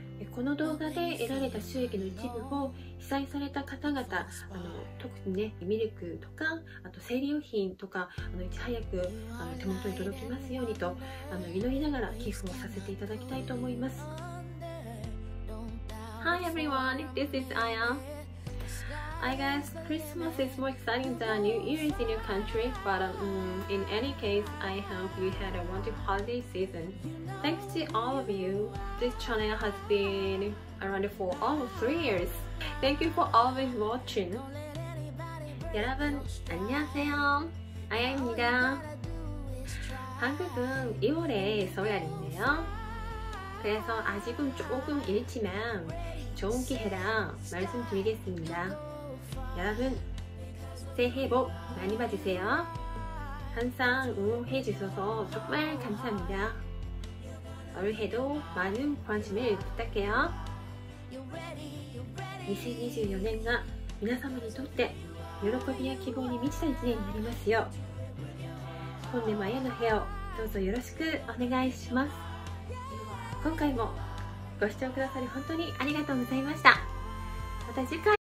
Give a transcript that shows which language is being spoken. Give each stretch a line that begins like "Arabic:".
Japanese: この動画で得られた収益の一部を被災された方々、特にねミルクとか、あと生理用品とか、いち早く手元に届きますようにと祈りながら寄付をさせていただきたいと思います。
English: Hi everyone, this is Aya. I guess Christmas is more exciting than New Year is in your country, but in any case, I hope you had a wonderful holiday season. Thanks to all of you, this channel has been around for almost 3 years. Thank you for always watching.
Korean: 여러분, 안녕하세요. 아야입니다. 한국은 2월에 설날인데요. 그래서 아직은 조금 일찍이지만 좋은 기회라 말씀드리겠습니다. 여러분, 새해 복 많이 받으세요. 항상 응원해 주셔서 정말 감사합니다. 올해도 많은 관심을 부탁해요.
Japanese: 2024년이 皆様にとって喜びや希望に満ちた1年になりますよう、本年もあやの部屋をどうぞよろしくお願いします。今回もご視聴くださり本当にありがとうございました。また次回。